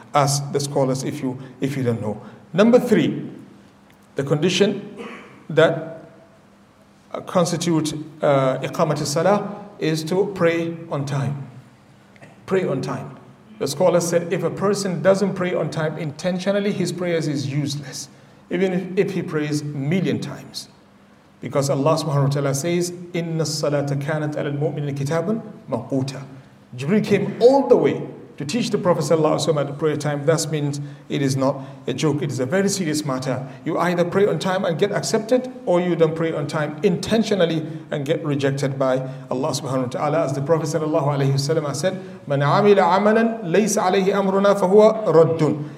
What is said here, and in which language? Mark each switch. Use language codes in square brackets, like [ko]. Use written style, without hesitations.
[en] Ask the scholars if you don't know. Number three, the condition that constitute iqamat al-salah is to pray on time. Pray on time. The scholars said, if a person doesn't pray on time intentionally, his prayers is useless. Even if he prays million times. Because Allah subhanahu wa ta'ala says, [ar] إِنَّ الصَّلَاةَ كَانَتْ عَلَى الْمُؤْمِنِ كِتَابًا مَقُوتًا. [en] Jibreel came all the way to teach the Prophet sallallahu alayhi wa sallam at prayer time. That means it is not a joke. It is a very serious matter. You either pray on time and get accepted, or you don't pray on time intentionally and get rejected by Allah subhanahu wa ta'ala. As the Prophet sallallahu alayhi wa sallam said, [ar] مَنْ عَمِلَ عَمَلًا لَيْسَ عَلَيْهِ أَمْرُنَا فَهُوَ رَدٌّ.